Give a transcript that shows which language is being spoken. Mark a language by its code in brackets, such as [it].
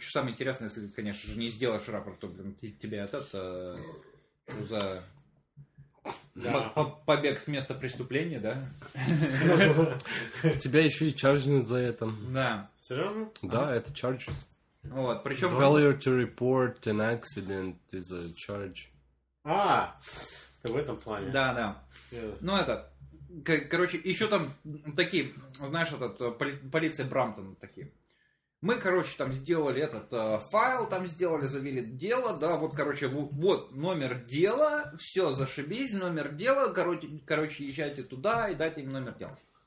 [ru] Что самое интересное, если ты, конечно же, не сделаешь рапорт, то, блин, тебе этот за... Да. Побег с места преступления, да? Тебя еще и чарджинят за это. Да. Серьезно? Да, это charges. Вот, причем... [en] Failure to report an accident is a charge. [ru] А, в этом плане. Да, да. Ну, это, короче, еще там такие, знаешь, этот, полиция Брамптона такие. Мы, короче, там сделали этот файл, там сделали, завели дело, да, вот, короче, вот номер дела, все, зашибись, номер дела, короче, езжайте туда и дайте им номер дела.